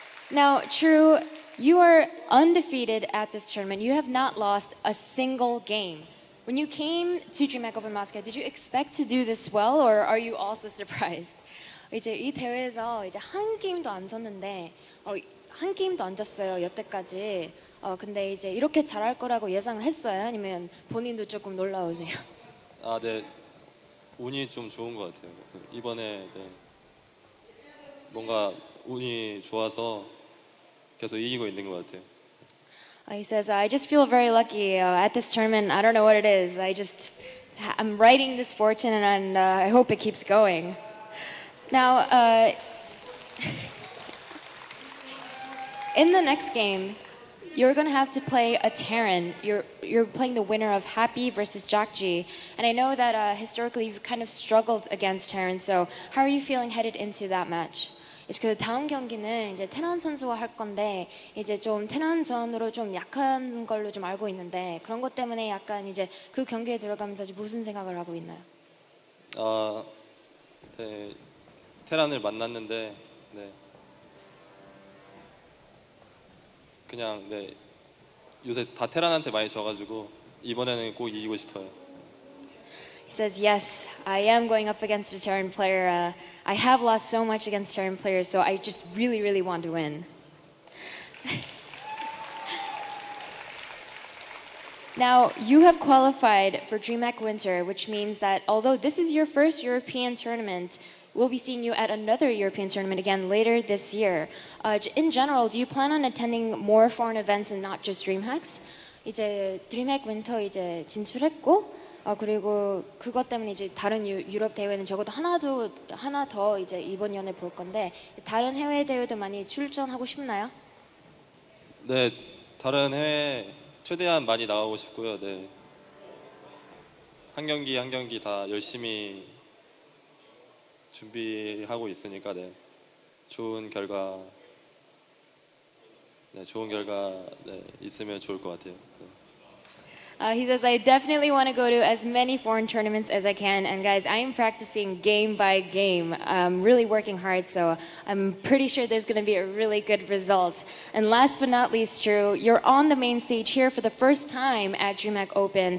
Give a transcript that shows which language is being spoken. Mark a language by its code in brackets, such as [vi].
[en] Now, Tru, you are undefeated at this tournament. You have not lost a single game. When you came to Dream Oak Open Moscow, did you expect to do this well, or are you also surprised? [ko] 이제 이 대회에서 이제 한 게임도 안 졌는데 한 게임도 안 졌어요 여태까지. 근데 이제 이렇게 잘할 거라고 예상을 했어요? 아니면 본인도 조금 놀라우세요? 아, 네. 운이 좀 좋은 것 같아요. 이번에 네. 뭔가 운이 좋아서 계속 이기고 있는 것 같아요. [en] He says, I just feel very lucky at this tournament. I don't know what it is. I'm riding this fortune and I hope it keeps going. Now, in the next game, you're going to have to play a Terran. You're playing the winner of Happy versus Jakji. And I know that historically you've kind of struggled against Terran. So how are you feeling headed into that match? [ko] 그 다음 경기는 이제 테란 선수와 할 건데 이제 좀 테란전으로 좀 약한 걸로 좀 알고 있는데 그런 것 때문에 약간 이제 그 경기에 들어가면서 무슨 생각을 하고 있나요? 네, 테란을 만났는데 네. 그냥 네 요새 다 테란한테 많이 져가지고 이번에는 꼭 이기고 싶어요. [en] He says, yes, I am going up against a Terran player. I have lost so much against Terran players, so I just really, really want to win. Now, you have qualified for DreamHack Winter, which means that although this is your first European tournament, we'll be seeing you at another European tournament again later this year. In general, do you plan on attending more foreign events and not just DreamHacks? [ko] 이제 DreamHack Winter 이제 진출했고 그리고 그것 때문에 이제 다른 유럽 대회는 적어도 하나 더 이제 이번 연에 볼 건데 다른 해외 대회도 많이 출전하고 싶나요? 네, 다른 해외 최대한 많이 나가고 싶고요. 네, 한 경기 다 열심히 준비하고 있으니까 네 좋은 결과 네 있으면 좋을 것 같아요. 네. [en] He says, I definitely want to go to as many foreign tournaments as I can. And guys, I am practicing game by game. I'm really working hard, so I'm pretty sure there's going to be a really good result. And last but not least, Drew, you're on the main stage here for the first time at DreamHack Open.